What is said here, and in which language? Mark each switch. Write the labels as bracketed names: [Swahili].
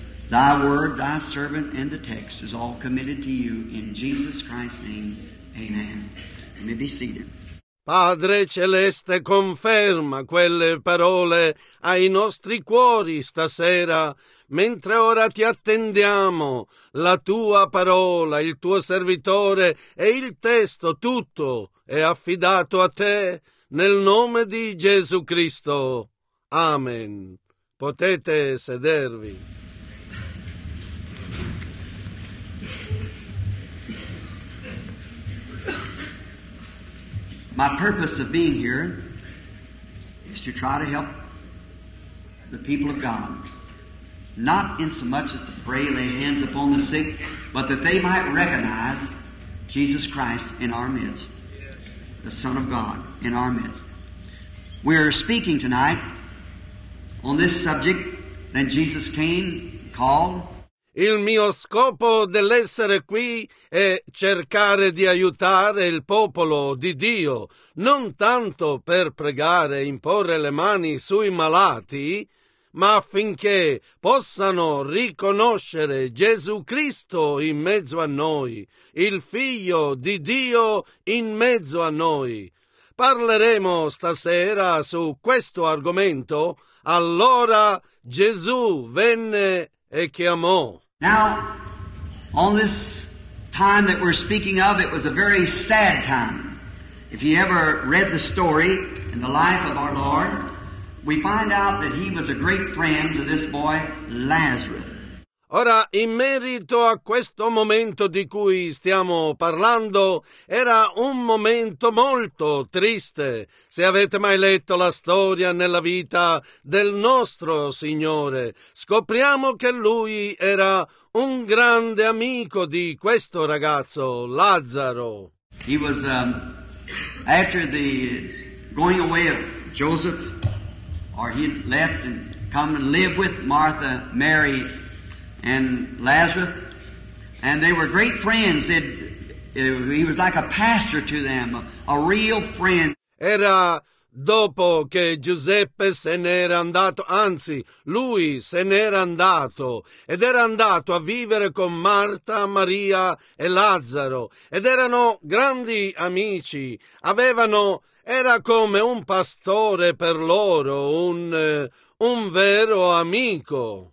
[English] Thy word, thy servant, and the text is all committed to you in Jesus Christ's name. Amen. You may be seated. [Italian] Padre Celeste, conferma quelle parole ai nostri cuori stasera, mentre ora ti attendiamo, la tua parola, il tuo servitore e il testo, tutto è affidato a te, nel nome di Gesù Cristo. Amen. Potete sedervi. [English] My purpose of being here is to try to help the people of God. Not in so much as to pray, lay hands upon the sick, but that they might recognize Jesus Christ in our midst, the Son of God in our midst. We're speaking tonight on this subject. Then Jesus came, called. [Italian] Il mio scopo dell'essere qui è cercare di aiutare il popolo di Dio, non tanto per pregare e imporre le mani sui malati, ma affinché possano riconoscere Gesù Cristo in mezzo a noi, il Figlio di Dio in mezzo a noi. Parleremo stasera su questo argomento. Allora Gesù venne e chiamò. [English] Now, on this time that we're speaking of, it was a very sad time. If you ever read the story in the life of our Lord, we find out that he was a great friend to this boy, Lazarus. [Italian] Ora, in merito a questo momento di cui stiamo parlando, era un momento molto triste. Se avete mai letto la storia nella vita del nostro Signore, scopriamo che lui era un grande amico di questo ragazzo, Lazzaro. [English] He was, after the going away of Joseph, or he left and come and live with Martha, Mary, and Lazarus, and they were great friends. He was like a pastor to them, a real friend. [Italian] Era dopo che Giuseppe se n'era andato, anzi, lui se n'era andato, ed era andato a vivere con Marta, Maria e Lazzaro, ed erano grandi amici, era come un pastore per loro, un vero amico.